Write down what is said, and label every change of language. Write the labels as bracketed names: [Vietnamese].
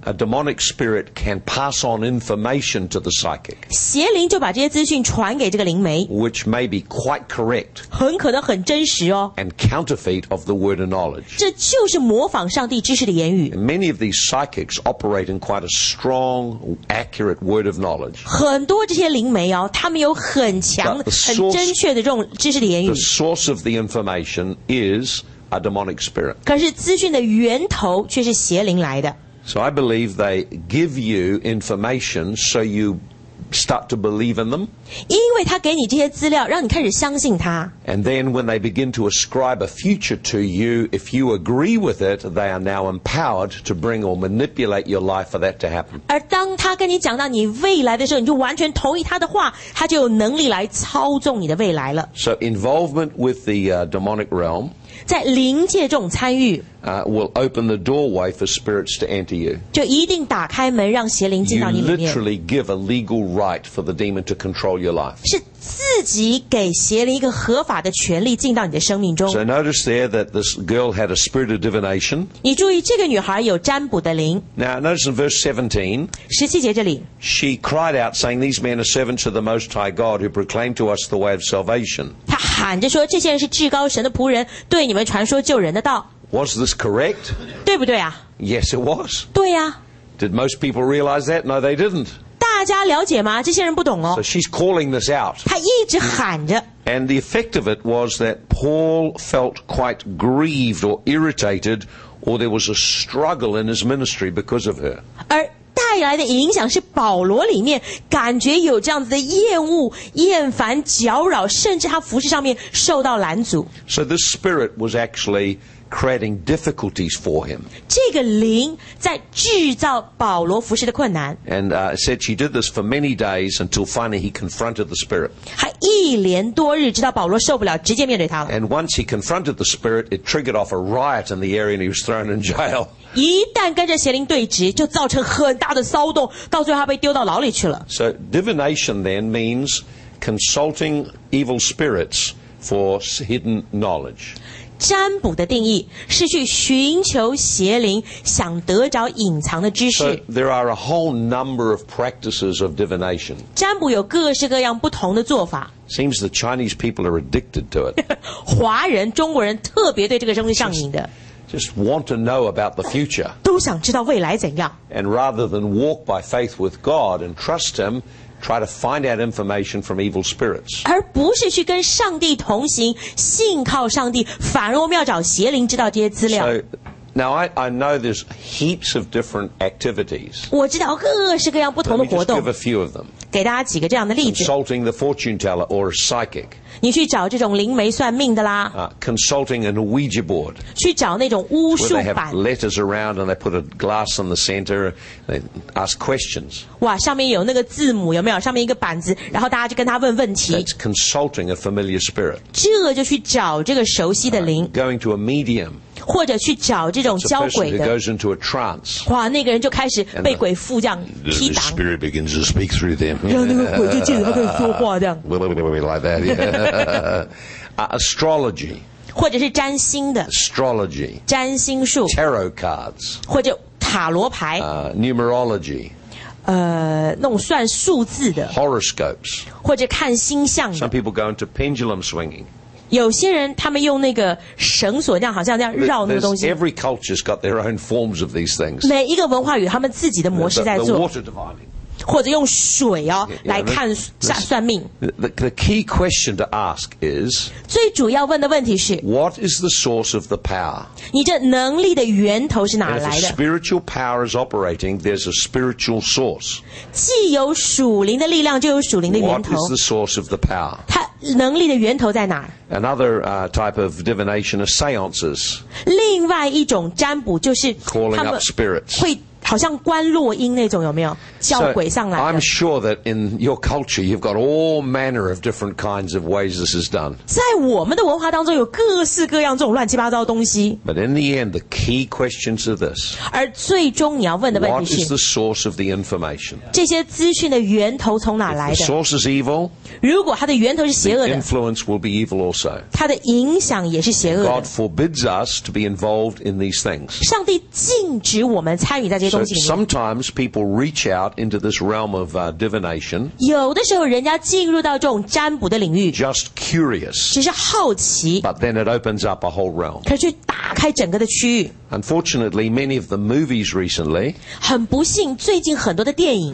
[English] And a demonic spirit can pass on information to the psychic. [Chinese] 邪灵就把这些资讯传给这个灵媒。 [English] Which may be quite correct. [Chinese] 很可能很真实哦。 [English] And counterfeit of the word of knowledge. [Chinese] 这就是模仿上帝知识的言语。 [English] Many of these psychics operate in quite a strong, accurate word of knowledge. [Chinese] 很多这些灵媒哦，他们有很强、很正确的这种知识的言语。 [English] The source of the information is a demonic spirit. [Chinese] 可是资讯的源头却是邪灵来的。 [English] So I believe they give you information so you start to believe in them. [Chinese] 因为他给你这些资料，让你开始相信他。 [English] And then when they begin to ascribe a future to you, if you agree with it, they are now empowered to bring or manipulate your life for that to happen. [Chinese] 而当他跟你讲到你未来的时候，你就完全同意他的话，他就有能力来操纵你的未来了。 [English] So involvement with the demonic realm, [Chinese] 在灵界中参与。 [English] Will open the doorway for spirits to enter you. [Chinese] 就一定打开门让邪灵进到你里面。 [English] You literally give a legal right for the demon to control your life. [Chinese] 是自己给邪灵一个合法的权利进到你的生命中。 [English] So notice there that this girl had a spirit of divination. [Chinese] 你注意这个女孩有占卜的灵。 [English] Now notice in verse 17. [Chinese] 十七节这里。 [English] She cried out saying, these men are servants of the Most High God who proclaim to us the way of salvation. [Chinese] 她喊着说这些人是至高神的仆人对你们传说救人的道。 [English] Was this correct? [Chinese] 对不对啊? [English] Yes, it was. [Chinese] 对啊。 [English] Did most people realize that? No, they didn't. [Chinese] 大家了解吗?这些人不懂哦。 [English] So she's calling this out. [Chinese] 她一直喊着。 [English] And the effect of it was that Paul felt quite grieved or irritated, or there was a struggle in his ministry because of her. [Chinese] 而带来的影响是保罗里面感觉有这样子的厌恶、厌烦、搅扰，甚至他服事上面受到拦阻。 [English] So this spirit was actually... creating difficulties for him. [Chinese] 这个灵在制造保罗服事的困难。 [English] And said she did this for many days until finally he confronted the spirit. [Chinese] 还一连多日直到保罗受不了直接面对他了。 [English] And once he confronted the spirit, it triggered off a riot in the area and he was thrown in jail. [Chinese] 一旦跟着邪灵对峙就造成很大的骚动到最后他被丢到牢里去了。 [English] So divination then means consulting evil spirits for hidden knowledge. [Chinese] 占卜的定义是去寻求邪灵想得着隐藏的知识。 [English] So there are a whole number of practices of divination. [Chinese] 占卜有各式各样不同的做法。 [English] Seems the Chinese people are addicted to it. [Chinese] 华人、中国人特别对这个东西上瘾的。 [English] Just want to know about the future. [Chinese] 都想知道未来怎样。 [English] And rather than walk by faith with God and trust Him,try to find out information from evil spirits. [Chinese] 而不是去跟上帝同行，信靠上帝，反而我们要找邪灵知道这些资料。 [English] So, now I know there's heaps of different activities. [Chinese] 我知道各式各样不同的活动。 [English] Let me just give a few of them. [Chinese] 给大家几个这样的例子。 [English] Consulting the fortune teller or a psychic. [Chinese] 你去找这种灵媒算命的啦。 [English] Consulting an Ouija board. [Chinese] 去找那种巫术板。 [English] Where they have letters around and they put a glass in the center and ask questions. [Chinese] 哇，上面有那个字母有没有？上面一个板子，然后大家就跟他问问题。 [English] That's consulting a familiar spirit. [Chinese] 这就去找这个熟悉的灵。 [English] Going to a medium. [Chinese] 或者去找这种教鬼的 [English] goes into a trance, [Chinese] 哇那个人就开始被鬼附这样踢挡 [English] the spirit begins to speak through them. [Chinese] 然后那个鬼就借着他跟你说话这样 [English] like that, yeah. Astrology [Chinese] 或者是占星的 [English] Astrology [Chinese] 占星术 [English] Tarot cards [Chinese] 或者塔罗牌 [English] Numerology [Chinese] 那种算数字的 [English] Horoscopes [Chinese] 或者看星象的 [English] Some people go into pendulum swinging [Chinese] 有些人他们用那个绳索这样好像这样绕那个东西 [English] Every culture's got their own forms of these things [Chinese] 每一个文化与他们自己的模式在做 [English] the water divining [Chinese] 或者用水哦来看算命 [English] the key question to ask is [Chinese] 最主要问的问题是 [English] What is the source of the power? [Chinese] 你这能力的源头是哪来的 [English] If a spiritual power is operating there's a spiritual source [Chinese] 既有属灵的力量就有属灵的源头 [English] What is the source of the power? [Chinese] 它能力的源头在哪 [English] Another type of divination are seances. [Chinese] 另外一种占卜就是 [English] Calling up spirits. [Chinese] 会好像关落音那种，有没有叫鬼上来的？ [English] So, I'm sure that in your culture, you've got all manner of different kinds of ways this is done. [Chinese] 在我们的文化当中，有各式各样这种乱七八糟的东西。 [English] But in the end, the key questions are this. [Chinese] 而最终你要问的问题是 [English] What is the source of the information? [Chinese] 这些资讯的源头从哪来的？ [English] If the source is evil, [Chinese] 如果它的源头是邪恶的 [English] the influence will be evil also. [Chinese] 它的影响也是邪恶的。 [English] God forbids us to be involved in these things. [Chinese] 上帝禁止我们参与在这些。 [English] So sometimes people reach out into this realm of divination. [Chinese] 有的时候人家进入到这种占卜的领域。 [English] Just curious. [Chinese] 只是好奇。 [English] But then it opens up a whole realm. [Chinese] 可是打开整个的区域。 [English] Unfortunately, many of the movies recently [Chinese] 很不幸，最近很多的电影